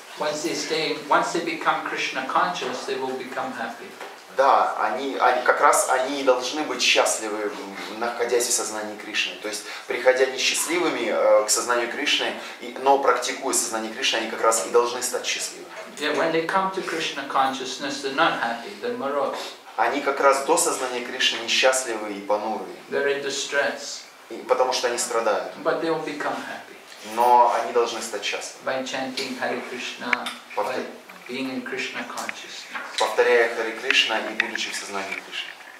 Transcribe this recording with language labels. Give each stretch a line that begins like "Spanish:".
English: Once they stay, once they become Krishna conscious, they will become happy.
Russian: Да, они как раз они должны быть счастливы, находясь в сознании Кришны. То есть, приходя несчастливыми к сознанию Кришны, но практикуя сознание Кришны, они как раз и должны стать счастливыми.
English: Yeah, when they come to Krishna consciousness, they're not happy, they're morose.
Russian: Они как раз до сознания Кришны несчастливы и понурые.
English: They're in distress.
Russian: И, потому что они страдают.
English: But they will become happy.
Russian: Но они должны стать счастливы.
English: By chanting Hare Krishna, by being in Krishna consciousness.
Russian: Повторяя Хари Кришна и будучи в сознании Кришны.